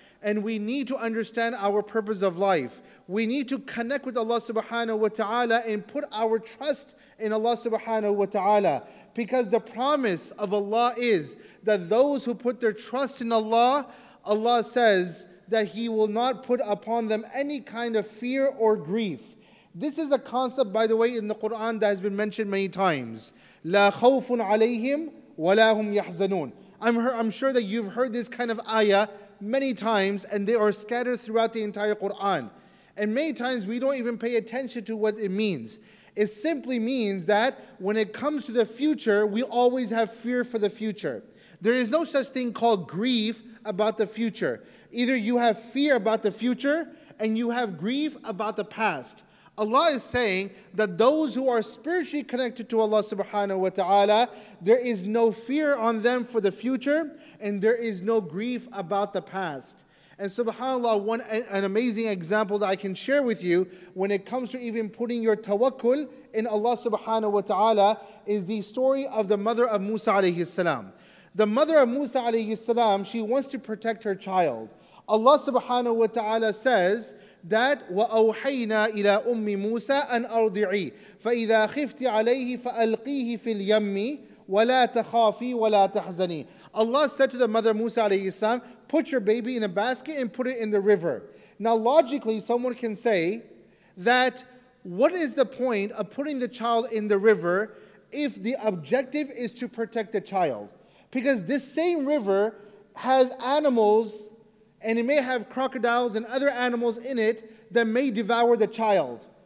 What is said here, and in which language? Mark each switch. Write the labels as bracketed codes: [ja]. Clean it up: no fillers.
[en] And we need to understand our purpose of life. We need to connect with Allah subhanahu wa ta'ala and put our trust in Allah subhanahu wa ta'ala. Because the promise of Allah is that those who put their trust in Allah, Allah says that He will not put upon them any kind of fear or grief. This is a concept, by the way, in the Quran that has been mentioned many times. [ar] لا خوف عليهم ولا هم يحزنون. [en] I'm sure that you've heard this kind of ayah many times, and they are scattered throughout the entire Quran. And many times we don't even pay attention to what it means. It simply means that when it comes to the future, we always have fear for the future. There is no such thing called grief about the future. Either you have fear about the future and you have grief about the past. Allah is saying that those who are spiritually connected to Allah subhanahu wa ta'ala, there is no fear on them for the future, and there is no grief about the past. And subhanAllah, one an amazing example that I can share with you when it comes to even putting your tawakkul in Allah subhanahu wa ta'ala is the story of the mother of Musa alayhi salam. The mother of Musa alayhi salam, she wants to protect her child. Allah subhanahu wa ta'ala says that [ar] وَأَوْحَيْنَا إِلَىٰ أُمِّ مُوسَىٰ أَنْ أَرْضِعِي فَإِذَا خِفْتِ عَلَيْهِ فَأَلْقِيهِ فِي الْيَمِّ وَلَا تَخَافِي وَلَا تَحْزَنِي. [en] Allah said to the mother Musa alayhi salam, put your baby in a basket and put it in the river. Now logically, someone can say that what is the point of putting the child in the river if the objective is to protect the child? Because this same river has animals, and it may have crocodiles and other animals in it that may devour the child.